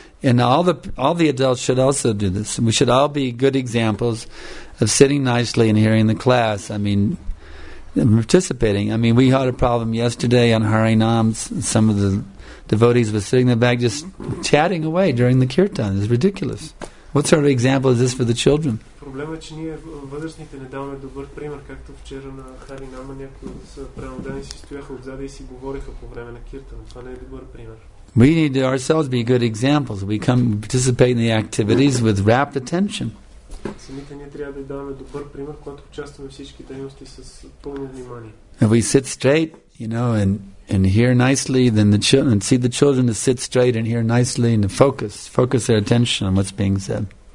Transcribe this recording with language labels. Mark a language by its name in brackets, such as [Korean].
[English] And all the adults should also do this. We should all be good examples of sitting nicely and hearing the class. I mean, participating. I mean, we had a problem yesterday on Harinam. Some of the devotees were sitting in the back just chatting away during the kirtan. It's ridiculous. What sort of example is this for the children? [Bulgarian] Проблема е, че ние възрастните не даваме добър пример, както вчера на Харинама някои са преодани си стояха отзад и си говориха по време на киртан. Това не е добър пример. [English] We need to ourselves be good examples. We come participate in the activities with rapt attention. [Bulgarian] Самите ние трябва да даваме добър пример, когато участваме всички дейности с пълно внимание. [English] If we sit straight, you know, and hear nicely, then the children see the children to sit straight and hear nicely and to focus their attention on what's being said.